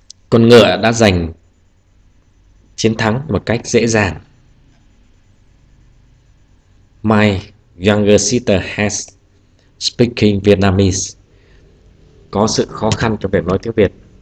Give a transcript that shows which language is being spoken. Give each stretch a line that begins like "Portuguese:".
Vietnamese: Con ngựa đã giành chiến thắng một cách dễ dàng.
English: My younger sister has speaking Vietnamese.
Vietnamese: Có sự khó khăn trong việc nói tiếng Việt.